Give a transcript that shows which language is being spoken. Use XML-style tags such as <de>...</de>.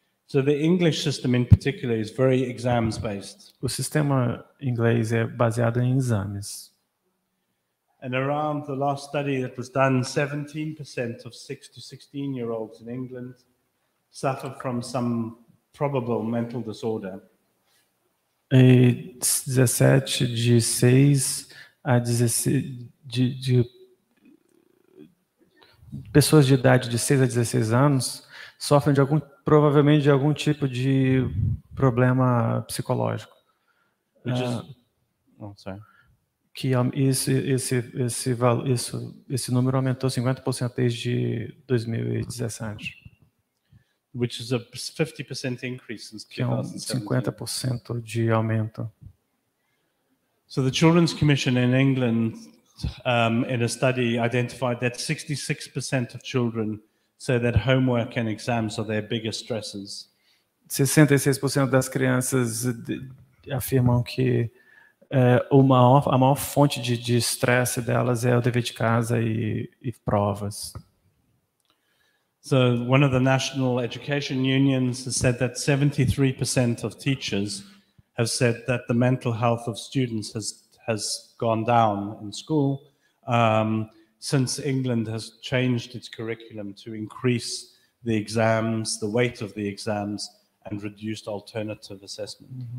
<en>So the English system in particular is very exams based.</en> <pt>O sistema inglês é baseado em exames.</pt> <en>And around the last study that was done, 17% of 6 to 16 year olds in England suffer from some probable mental disorder.</en> <pt>E 17 de 6 a 16 de pessoas de idade de 6 a 16 anos sofrem de algum tipo de problema psicológico. Que esse número aumentou 50% desde 2017.</pt> <en>Which is a 50% increase since 2017.</en> <pt>Que é 50% de aumento.</pt> <en>So the Children's Commission in England in a study identified that 66% of children say that homework and exams are their biggest stresses.</en> <pt>66% das crianças afirmam que a maior fonte de estresse delas é o dever de casa e provas.</pt> <en>So one of the national education unions has said that 73% of teachers have said that the mental health of students has gone down in school. Since England has changed its curriculum to increase the exams, the weight of the exams, and reduced alternative assessment.</en>